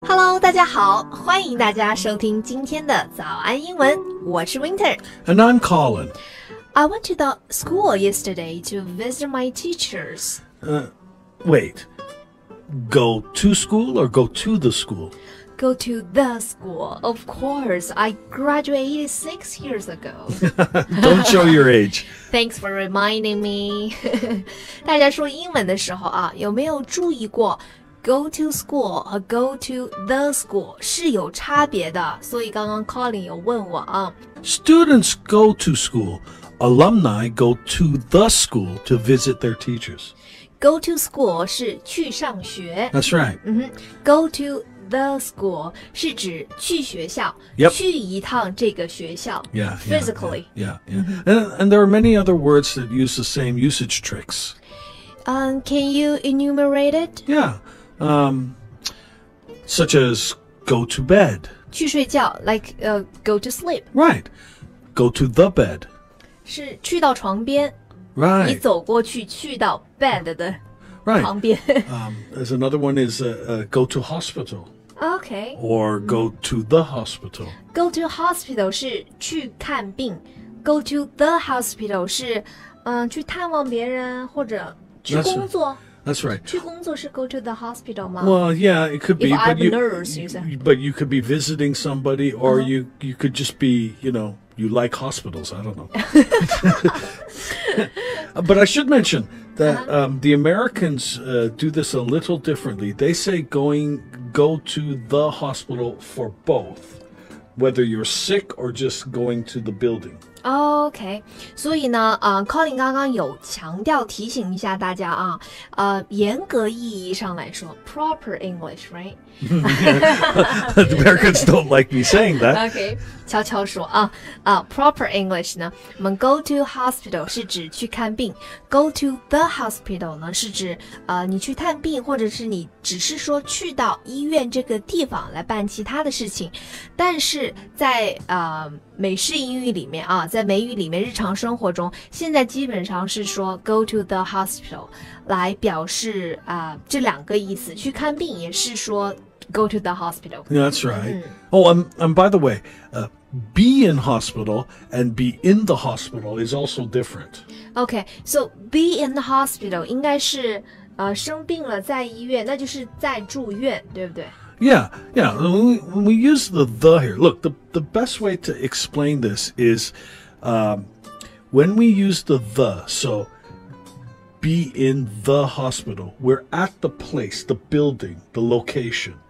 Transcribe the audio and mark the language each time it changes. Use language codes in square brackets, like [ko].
[zh] 大家好，欢迎大家收听今天的早安英文。我是 Winter. [en] And I'm Colin. I went to the school yesterday to visit my teachers. Wait. Go to school or go to the school? Go to the school. Of course, I graduated 6 years ago. Don't show your age. Thanks for reminding me. [zh] 大家说英文的时候啊，有没有注意过 go to school 和 go to the school 是有差别的？所以刚刚 Colin 有问我啊。 [en] Students go to school. Alumni go to the school to visit their teachers. [zh] Go to school 是去上学。 [en] That's right. [zh] Go to the school 是指去学校、 [en] yep. [zh] 去一趟这个学校 [en] yeah, physically yeah, yeah, yeah. And there are many other words that use the same usage tricks can you enumerate it? Yeah, such as go to bed [zh] 去睡觉 [en] like go to sleep right, go to the bed [zh] 是去到床边 [en] right, [zh] 你走过去去到 bed 的 [en] Right. [zh] 旁边 [en] there's another one is go to hospital. Okay. Or go to the hospital. [zh] Go to hospital 是去看病。 Go to the hospital 是去探望别人或者去工作。 [en] That's right. [zh] 去工作是 go to the hospital 吗? [en] Well, yeah, it could be. If I'm a nurse, you say. But you could be visiting somebody or you could just be, you know, you like hospitals. I don't know. But I should mention that the Americans do this a little differently. They say go to the hospital for both, whether you're sick or just going to the building. [zh] Okay, 所以呢Colin 刚刚有强调提醒一下大家啊严格意义上来说 [en] proper English, right? The Americans don't like me saying that. [zh] Okay, 悄悄说啊proper English 呢我们 go to hospital 是指去看病 go to the hospital 呢是指你去探病或者是你只是说去到医院这个地方来办其他的事情但是在美式英语里面啊在美语里面日常生活中现在基本上是说 go to the hospital 来表示这两个意思去看病也是说 go to the hospital [en] That's right、mm-hmm. Oh, and by the way be in hospital and be in the hospital is also different Okay, so be in the hospital [zh] 应该是生病了在医院那就是在住院对不对 [en] Yeah, yeah. When we use the here, look, the best way to explain this is when we use the, so be in the hospital, we're at the place, the building, the location.